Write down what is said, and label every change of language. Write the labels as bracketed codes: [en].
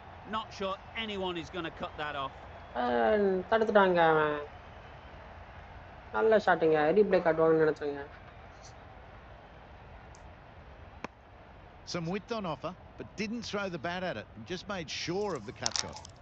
[en] Not sure anyone is going to cut that off. [ta] தடுத்துட்டாங்க. நல்ல ஷாட்டிங்க, replay காட்டுவாங்கன்னு நினைச்சாங்க. [en] Some width on offer, but didn't throw the bat at it and just made sure of the cut shot.